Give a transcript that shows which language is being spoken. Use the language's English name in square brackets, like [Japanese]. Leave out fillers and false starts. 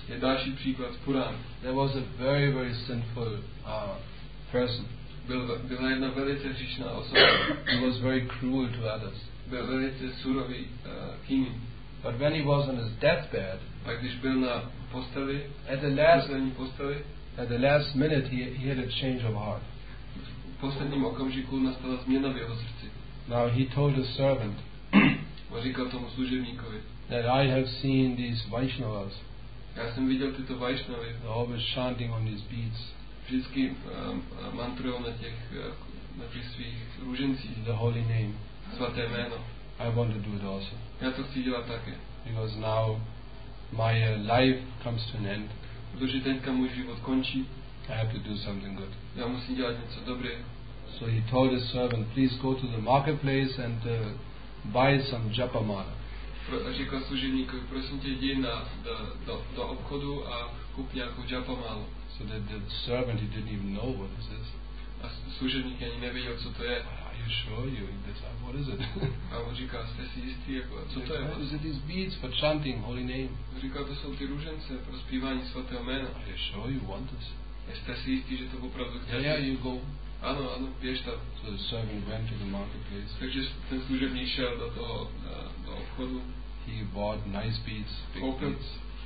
[Czech] Je další příklad z Purán. [English] There was a very, very sinful person. [Czech] Byl jedna velice hříšná osoba. [English] He was very cruel to others. [Czech] Byl velice surový k jiným. [English] But when he was on his deathbed, [Czech] a když byl na posteli, [English] at the last minute, he had a change of heart. [Czech] V posledním okamžiku nastala změna v jeho srdci. [English] Now he told his servant, [Czech] říkal tomu služebníkovi, [English] that I have seen these Vaishnavas. [Czech] Já jsem viděl tyto Vaishnavy. [English] Always chanting on these beads. [Czech] Vždycky mantrujou na těch svých růžencích. [English] The holy name. [Czech] Svaté jméno. [English] I want to do it also. [Czech] Já to chci dělat také. [English] Because now my life comes to an end. [Czech] Protože teďka můj život končí. [English] I have to do something good. [Czech] Já musím dělat něco dobré. [English] So he told his servant, please go to the marketplace and buy some japa mala. [Czech] Říkal služebníkovi, prosím tě, jdi do obchodu a kup nějakou japa malu. [English] So the servant, he didn't even know what this is. [Czech] A služebník ani nevěděl, co to je. [English] Are you sure you eat this? What is it? [Czech] A on říkal, jste si jistý, jako, co to je? [English] Is it these beads for chanting holy name? [Czech] Říkal, to jsou ty růžence pro zpívání svatého jména. [English] Are you sure you want this? [Czech] Jste si jistý, že to opravdu chcete? [English] Yeah, you go. [Czech] Ano, běž tam. [English] So the servant went to the marketplace. [Czech] Takže ten služebník šel do toho do obchodu. [English] He bought nice beads, big beads.